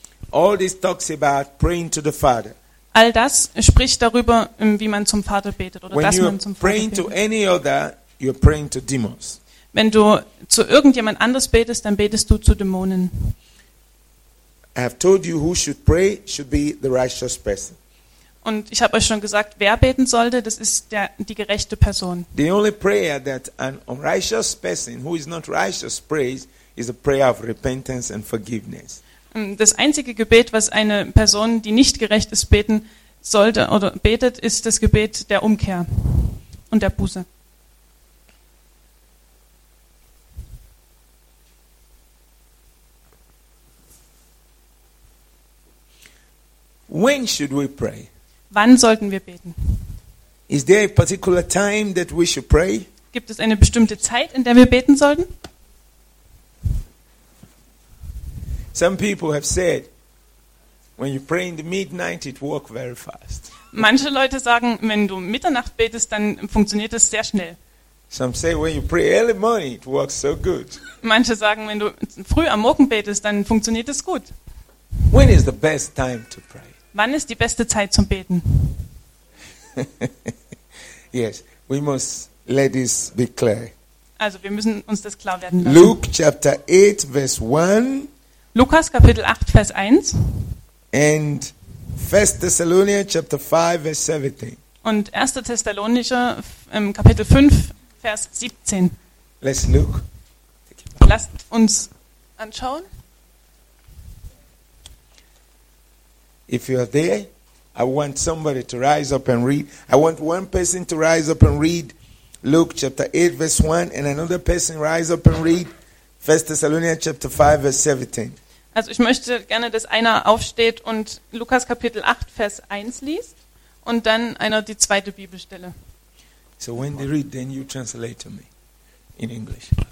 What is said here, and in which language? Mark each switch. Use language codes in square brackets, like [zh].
[en] All this talks about praying to the Father. [de] All das spricht darüber, wie man zum Vater betet oder dass man zum Vater betet. [en] When you're praying to any other, you're praying to demons. [de] Wenn du zu irgendjemand anders betest, dann betest du zu Dämonen. [en] I have told you who should pray should be the righteous person. [de] Und ich habe euch schon gesagt, wer beten sollte, das ist die gerechte Person. [en] The only prayer that an unrighteous person who is not righteous prays is a prayer of repentance and forgiveness. [de] Das einzige Gebet, was eine Person, die nicht gerecht ist, beten sollte oder betet, ist das Gebet der Umkehr und der Buße. [en] When should we pray? [de] Wann sollten wir beten? [en] Is there a particular time that we should pray? [de] Gibt es eine bestimmte Zeit, in der wir beten sollten? [en] Some people have said, when you pray in the midnight, it works very fast. [de] Manche Leute sagen, wenn du Mitternacht betest, dann funktioniert es sehr schnell. [en] Some say, when you pray early morning, it works so good. [de] Manche sagen, wenn du früh am Morgen betest, dann funktioniert es gut. [en] When is the best time to pray? [de] Wann ist die beste Zeit zum Beten? [en] Yes, we must let this be clear. [de] Also, wir müssen uns das klar werden lassen. [en] Luke chapter 8 verse 1. [de] Lukas Kapitel 8 Vers 1. [en] And 1 Thessalonians chapter 5 verse 17. [de] Und 1. Thessalonicher Kapitel 5 Vers 17. [en] Let's look. [de] Lasst uns anschauen. [en] If you are there, I want somebody to rise up and read. I want one person to rise up and read Luke chapter 8 verse 1 and another person rise up and read 1 Thessalonians chapter 5 verse 17. [de] Also ich möchte gerne, dass einer aufsteht und Lukas Kapitel 8 Vers 1 liest und dann einer die zweite Bibelstelle. [en] So when they read, then you translate to me in English.